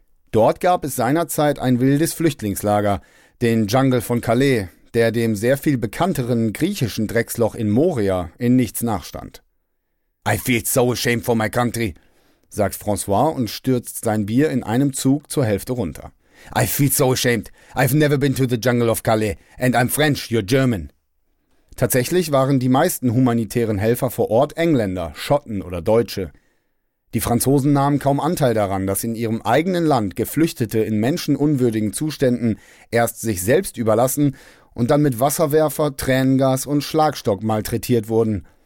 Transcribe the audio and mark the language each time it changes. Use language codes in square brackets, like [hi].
[de] Dort gab es seinerzeit ein wildes Flüchtlingslager, den Dschungel von Calais, der dem sehr viel bekannteren griechischen Drecksloch in Moria in nichts nachstand. [en] I feel so ashamed for my country, [de] sagt François und stürzt sein Bier in einem Zug zur Hälfte runter. [en] I feel so ashamed. I've never been to the Jungle of Calais and I'm French, you're German. [de] Tatsächlich waren die meisten humanitären Helfer vor Ort Engländer, Schotten oder Deutsche. Die Franzosen nahmen kaum Anteil daran, dass in ihrem eigenen Land Geflüchtete in menschenunwürdigen Zuständen erst sich selbst überlassen und dann mit Wasserwerfer, Tränengas und Schlagstock malträtiert wurden.